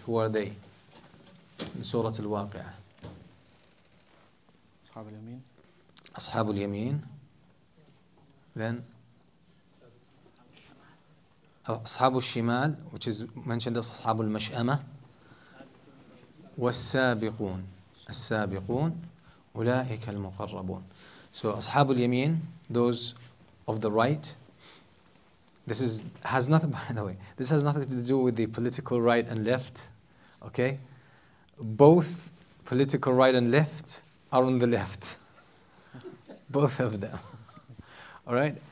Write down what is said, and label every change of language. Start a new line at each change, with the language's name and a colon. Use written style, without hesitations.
English: Who are they? In Surah Al-Waqi'ah. Ashab al-Yamin. Ashab al-Yamin. Then, Ashab al-Shimal, which is mentioned as Ashab al-Mash'ama.
Arabic: والسابقون السابقون أولئك المقربون.
English: So أصحاب اليمين, those of the right. This has nothing to do with the political right and left. Okay, both political right and left are on the left. Both of them. All right.